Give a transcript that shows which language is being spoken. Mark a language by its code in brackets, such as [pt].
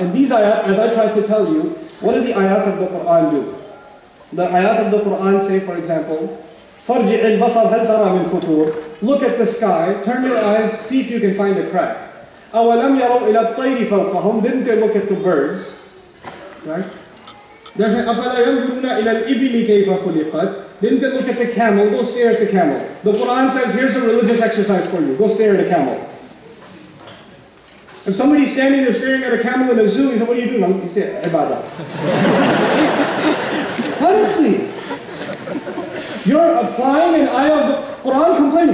[en] And these ayat, as I tried to tell you, what do the ayat of the Quran do? The ayat of the Quran say, for example, [ar] فَرْجِعِ الْبَصَرْ هَلْ تَرَى مِنْ فُطُورٍ. [en] Look at the sky, turn your eyes, see if you can find a crack. [ar] أَوَلَمْ يَرَوْا إِلَى الطَّيْرِ فَوْقَهُمْ. [en] Didn't they look at the birds? Right? They say, [ar] أَفَلَا يَنْظُرُونَ إِلَى الْإِبِلِ كَيْفَ خُلِقَتْ. [en] Didn't they look at the camel? Go stare at the camel. The Quran says, here's a religious exercise for you. Go stare at a camel. If somebody's standing there staring at a camel in a zoo, he said, what are you doing? He said, ibadah. Honestly, you're applying an ayah of the Quran complaint.